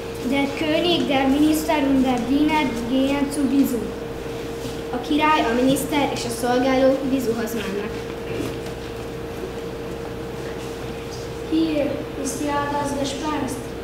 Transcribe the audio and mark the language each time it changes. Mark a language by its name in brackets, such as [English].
[German] Der König, der Minister und der Diener gehen zu Bizu. [Hungarian] A király, a miniszter és a szolgáló Bizuhoz mennek. [German] Hier ist ja das Gespenst.